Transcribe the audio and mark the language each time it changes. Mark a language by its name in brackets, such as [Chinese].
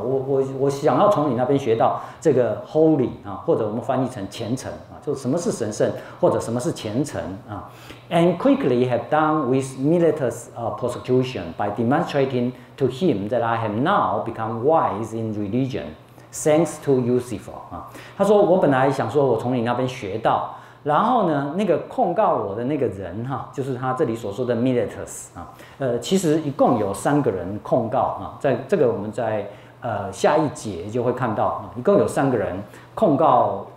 [Chinese] 我想要从你那边学到这个 holy 啊，或者我们翻译成虔诚啊，就是什么是神圣，或者什么是虔诚啊。 [English] And quickly have done with Miletus persecution by demonstrating to him that I have now become wise in religion, thanks to Eusebius. [Chinese] 啊，他说我本来想说我从你那边学到，然后呢，那个控告我的那个人哈、啊，就是他这里所说的 Miletus 啊，其实一共有三个人控告啊，在这个我们在下一节就会看到啊，一共有三个人控告。